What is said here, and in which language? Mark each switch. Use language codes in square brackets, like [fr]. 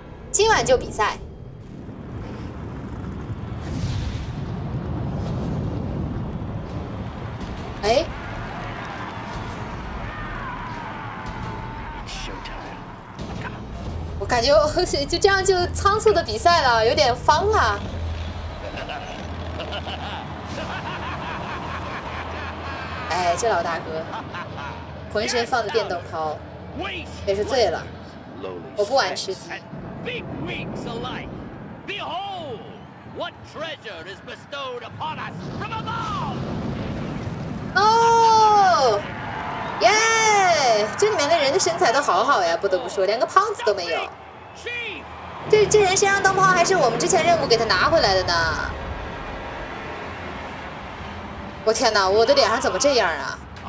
[zh] 今晚就比赛，哎，我感觉就这样就仓促的比赛了，有点方啊。哎，这老大哥浑身放的电动炮也是醉了，我不玩吃鸡。 [en] Big weeks alike. Behold, what treasure is bestowed upon us from above! Oh, yeah! [zh] 这里面的人的身材都好好呀，不得不说，连个胖子都没有。这人身上灯泡还是我们之前任务给他拿回来的呢。我天哪，我的脸上怎么这样啊？